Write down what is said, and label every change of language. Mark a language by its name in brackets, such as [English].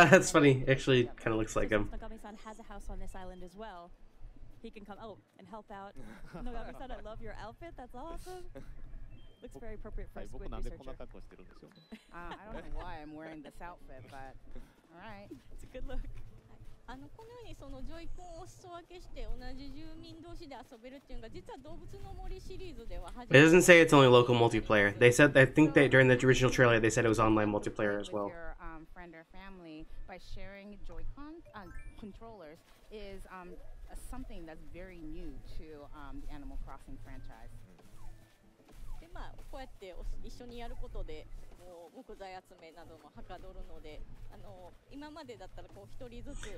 [English] That's funny. Actually, kind of looks like him. Nagami-san has a house on this island as well. He can come out and help out. Nogami-san, I love your outfit. That's awesome. Looks very appropriate for a squid researcher. I don't know why I'm wearing this outfit, but all right. It's a good look. [Japanese] このようにそのジョイコンを裾分けして同じ住民同士で遊べるっていうのが実は動物の森シリーズでは初めて [English] It doesn't say it's only local multiplayer. They said, I think that during the original trailer, they said it was online multiplayer as well. With your friend or family by sharing Joy-Con controllers is something that's very new to the Animal Crossing franchise. [Japanese] で、まあ、こうやって一緒にやることで木材集めなどもはかどるので今までだったらこう一人ずつ